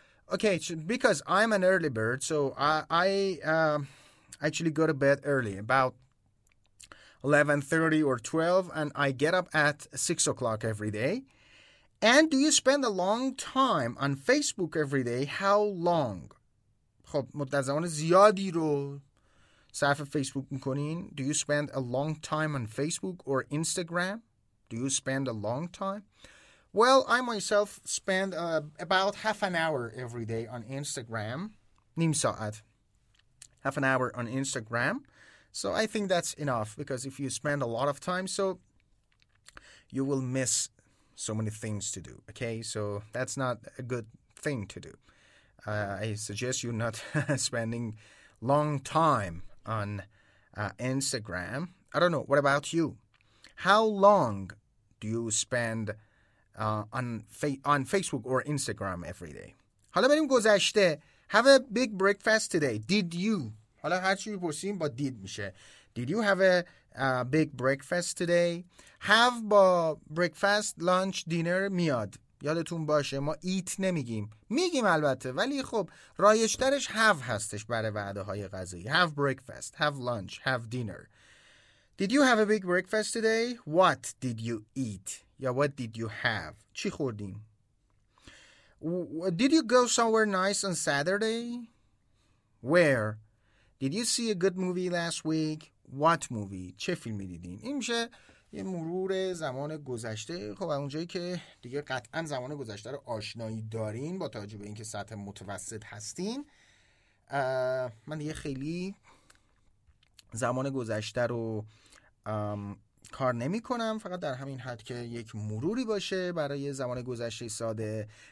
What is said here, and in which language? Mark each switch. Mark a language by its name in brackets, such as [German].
[English] Okay, because I'm an early bird, so I actually go to bed early, about 11:30 or 12, and I get up at 6 o'clock every day. And do you spend a long time on Facebook every day? How long? [Persian] خب مدت زمان زیادی رو صرف فیسبوک میکنین. [English] Do you spend a long time on Facebook or Instagram? Do you spend a long time? Well, I myself spend about half an hour every day on Instagram. [Persian] نیم ساعت. [English] Half an hour on Instagram. So I think that's enough, because if you spend a lot of time, so you will miss so many things to do. Okay, so that's not a good thing to do. I suggest you not spending long time on Instagram. I don't know. What about you? How long do you spend on Facebook or Instagram every day? [Persian] حالا بریم گذشته. [English] Have a big breakfast today. Did you? [Persian] حالا هرچی بپرسیم با did میشه. [English] Did you have a big breakfast today? Have [Persian] با [English] breakfast, lunch, dinner [Persian] میاد. یادتون باشه ما eat نمیگیم. میگیم البته ولی خب رایشترش have هستش برای وعده های غذایی. [English] Have breakfast, have lunch, have dinner. Did you have a big breakfast today? What did you eat? [Persian] یا [English] what did you have? [Persian] چی خوردیم؟ [English] Did you go somewhere nice on Saturday? Where? Did you see a good movie last week? What movie? [Persian] چه فیلمی دیدین؟ این میشه یه مرور زمان گذشته. خب اونجایی که دیگه قطعا زمان گذشته رو آشنایی دارین با توجه به اینکه سطح متوسط هستین. من دیگه خیلی زمان گذشته رو کار نمی کنم، فقط در همین حد که یک مروری باشه برای زمان گذشته ساده.